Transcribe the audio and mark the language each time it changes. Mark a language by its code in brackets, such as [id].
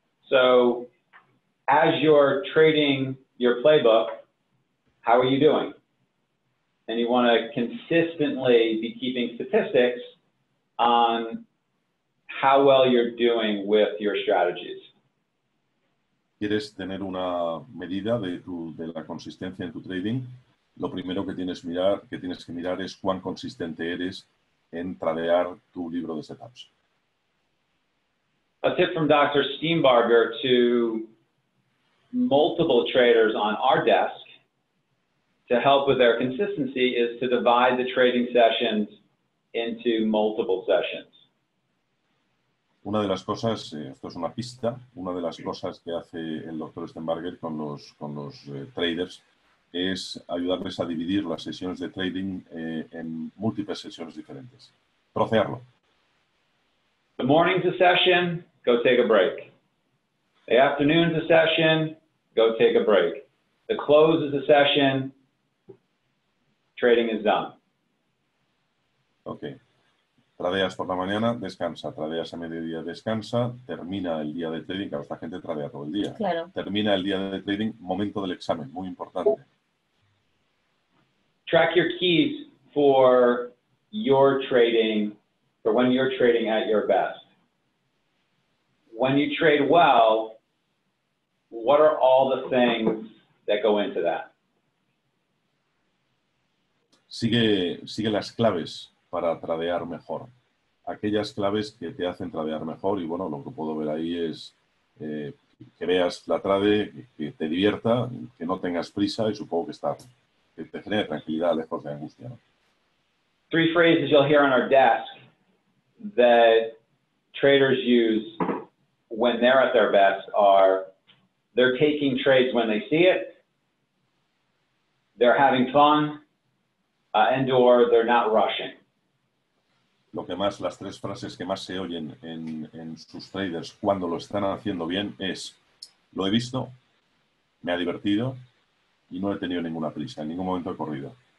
[en] So, as you're trading your playbook, how are you doing? And you want to consistently be keeping statistics on how well you're doing with your strategies. [es] ¿Quieres tener una medida de la consistencia en tu trading? Lo primero que tienes que mirar es cuán consistente eres en tradear tu libro de setups. [en] A tip from Dr. Steenbarger to multiple traders on our desk to help with their consistency is to divide the trading sessions into multiple sessions. [es] Una de las cosas, esto es una pista, una de las cosas que hace el Dr. Steinberger con los traders es ayudarles a dividir las sesiones de trading en múltiples sesiones diferentes. Trocearlo. [en] The morning's a session, go take a break. The afternoon's a session, go take a break. The close is a session, trading is done. [es] Okay. Tradeas por la mañana, descansa. Tradeas a mediodía, descansa. Termina el día de trading. Claro, esta gente tradea todo el día. Claro. Termina el día de trading, momento del examen, muy importante. [en] Track your keys for your trading, for when you're trading at your best. When you trade well, what are all the things that go into that? [es] Sigue las claves para tradear mejor. Aquellas claves que te hacen tradear mejor, y bueno, lo que puedo ver ahí es que veas la trade, que te divierta, que no tengas prisa, y supongo que te genere tranquilidad lejos de angustia, ¿no? [en] Three phrases you'll hear on our desk that traders use when they're at their best are they're taking trades when they see it, they're having fun, and or they're not rushing. [es] lo que más, las tres frases que más se oyen en sus traders cuando lo están haciendo bien es: lo he visto, me ha divertido y no he tenido ninguna prisa, en ningún momento he corrido.